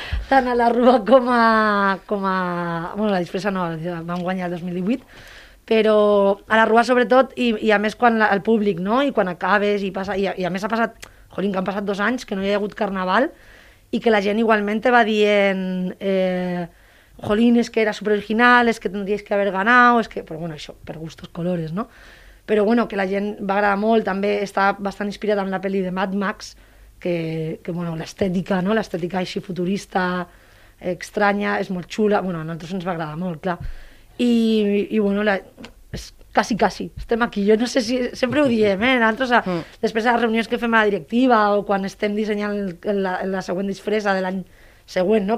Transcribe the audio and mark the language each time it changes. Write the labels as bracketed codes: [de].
[ca] Tant a la Rua com a... Bueno, la Disfressa no, vam guanyar el 2018, però a la Rua sobretot, i a més quan el públic, no?, i quan acabes, i a més ha passat, jolín, que han passat 2 anys, que no hi ha hagut carnaval, i que la gent igualment te va dient... [es] Jolín, es que era súper original, es que tendríais que haber ganado, es que, pero bueno, eso, per gustos colores, ¿no? Pero bueno, [ca] que la gent va agradar molt, també està bastant inspirada en la pel·li de Mad Max, que bueno, l'estètica, ¿no? L'estètica així futurista, estranya, és molt xula, bueno, a nosaltres ens va agradar molt, clar. I bueno, quasi, estem aquí, jo no sé si, sempre ho diem, ¿eh? Nosaltres, després de les reunions que fem a la directiva o quan estem dissenyant la següent disfressa de l'any següent, no?